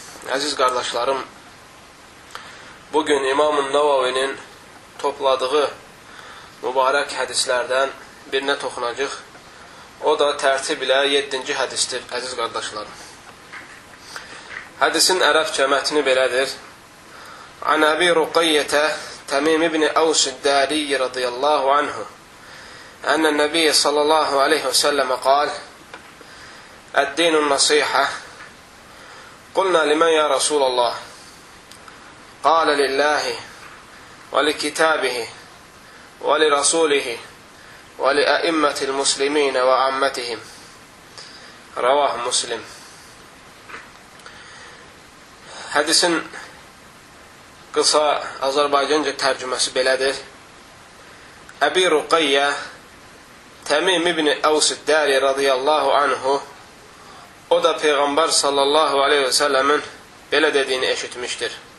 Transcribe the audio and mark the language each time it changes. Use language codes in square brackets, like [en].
[az] Əziz qardaşlarım, bugün İmam-ı Nəvavinin topladığı mübarək hədislərdən birinə toxunacaq. O da tərtib ilə 7-ci hədisdir, əziz qardaşlarım. Hədisin ərəbcə mətni belədir. [ar] عن أبي رقية تميم بن أوس الداري رضي الله عنه أن النبي صلى الله عليه وسلم قال الدين النصيحة قلنا لمن يا رسول الله قال لله ولكتابه ولرسوله ولأئمة المسلمين وعامتهم رواه مسلم. [az] حديث qısa Azərbaycanca tərcüməsi belədir. Əbi Ruqayyə Təmim ibn-i Əvsiddəri radiyallahu anhu o da Peyğəmbər sallallahu aleyhi və səlləmin belə dediyini eşitmişdir.